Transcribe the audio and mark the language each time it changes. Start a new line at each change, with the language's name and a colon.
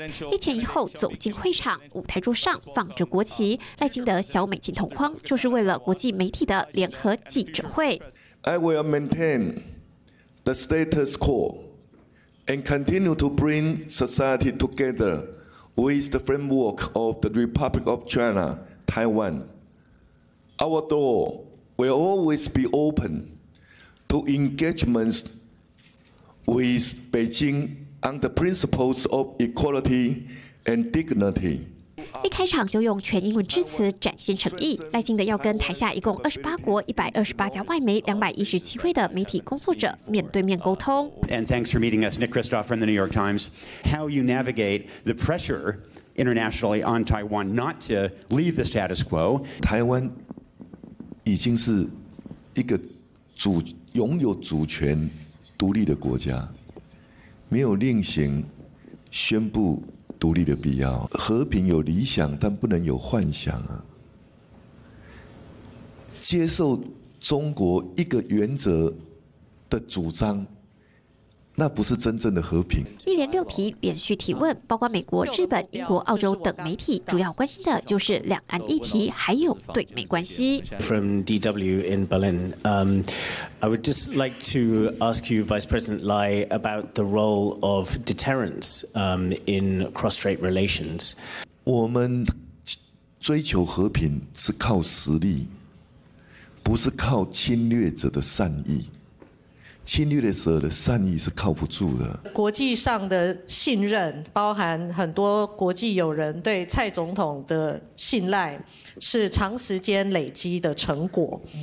Chinese: 一前一后走进会场，舞台桌上放着国旗，赖清德小美琴同框，就是为了国际媒体的联合记者会。
English: I will maintain the status quo and continue to bring society together with the framework of the Republic of China, Taiwan. Our door will always be open to engagements with Beijing. On the principles of equality and dignity.
Chinese: 一开场就用全英文致辞展现诚意，赖清德要跟台下一共28国、128家外媒、217位的媒体工作者面对面沟通。
English: And thanks for meeting us, Nick Kristof from the New York Times. How you navigate the pressure internationally on Taiwan not to leave the status quo?
Chinese: 台湾已经是一个拥有主权独立的国家。没有另行宣布独立的必要。和平有理想，但不能有幻想啊！接受中国一个原则的主张，那不是真正的和平。一连六题连续提问，包括美国、日本、英国、澳洲等媒体主要关心的就是两岸议题，还有对美关系。
English: From DW in Berlin, I would just like to ask you, Vice President Lai, about the role of deterrence in cross-strait relations.
Chinese: 我们追求和平是靠实力，不是靠侵略者的善意。侵略的时候的善意是靠不住的。国际上的信任，包含很多国际友人对蔡总统的信赖，是长时间累积的成果。